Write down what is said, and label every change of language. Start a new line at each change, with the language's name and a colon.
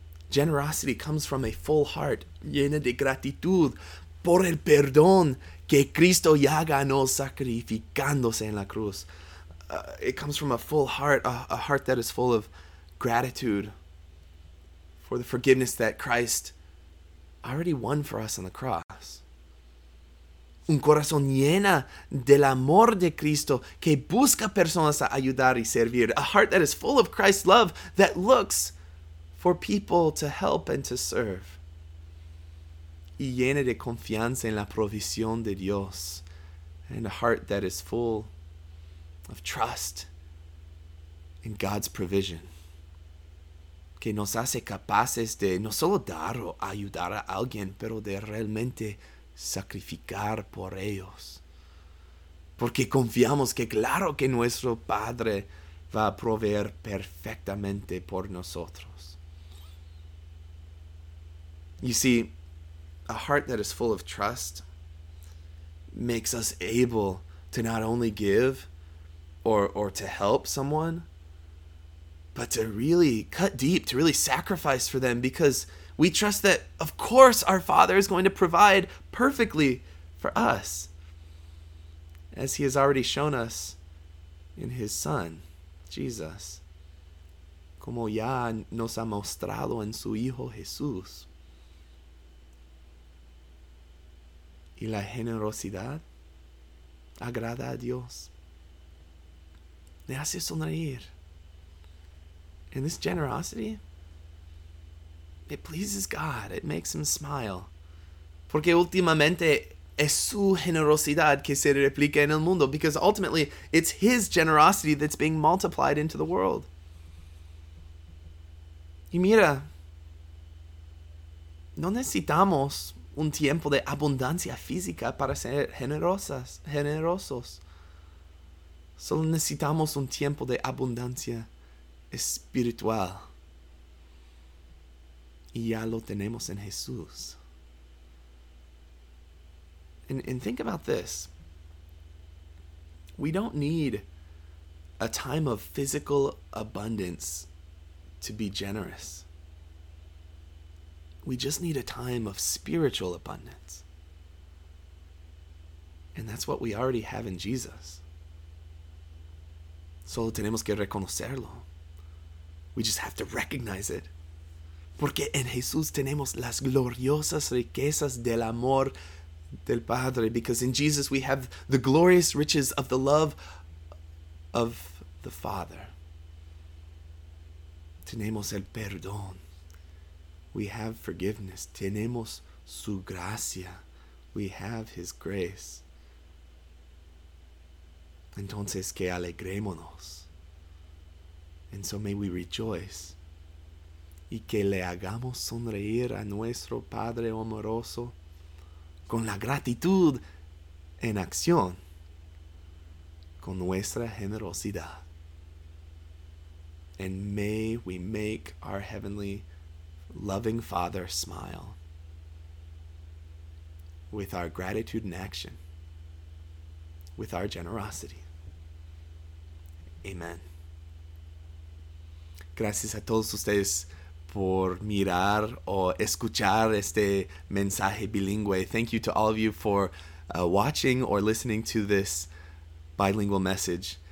English: Generosity comes from a full heart,
Spanish: llena de gratitud por el perdón que Cristo ya ganó sacrificándose en la cruz.
English: It comes from a full heart, a heart that is full of gratitude for the forgiveness that Christ already won for us on the cross.
Spanish: Un corazón llena del amor de Cristo que busca personas a ayudar y servir.
English: A heart that is full of Christ's love that looks for people to help and to serve.
Spanish: Y llena de confianza en la provisión de Dios.
English: And a heart that is full of trust in God's provision.
Spanish: Que nos hace capaces de no solo dar o ayudar a alguien, pero de realmente sacrificar por ellos. Porque confiamos que claro que nuestro Padre va a proveer perfectamente por nosotros.
English: You see, a heart that is full of trust makes us able to not only give or to help someone, but to really cut deep, to really sacrifice for them, because we trust that, of course, our Father is going to provide perfectly for us. as he has already shown us in his Son, Jesus.
Spanish: Como ya nos ha mostrado en su Hijo Jesús. Y la generosidad agrada a Dios. Le hace sonreír.
English: And this generosity, it pleases God. It makes him smile.
Spanish: Porque últimamente es su generosidad que se replica en el mundo.
English: Because ultimately, it's his generosity that's being multiplied into the world.
Spanish: Y mira, no necesitamos un tiempo de abundancia física para ser generosos. Solo necesitamos un tiempo de abundancia espiritual. Y ya lo tenemos en Jesús.
English: And think about this. We don't need a time of physical abundance to be generous. We just need a time of spiritual abundance. And that's what we already have in Jesus.
Spanish: Solo tenemos que reconocerlo.
English: We just have to recognize it.
Spanish: Porque en Jesús tenemos las gloriosas riquezas del amor del Padre.
English: Because in Jesus we have the glorious riches of the love of the Father.
Spanish: Tenemos el perdón.
English: We have forgiveness.
Spanish: Tenemos su gracia.
English: We have his grace.
Spanish: Entonces, que alegrémonos.
English: And so may we rejoice.
Spanish: Y que le hagamos sonreír a nuestro Padre amoroso con la gratitud en acción con nuestra generosidad.
English: And may we make our heavenly loving Father smile with our gratitude and action, with our generosity. Amen.
Spanish: Gracias a todos ustedes por mirar o escuchar este mensaje bilingüe.
English: Thank you to all of you for watching or listening to this bilingual message.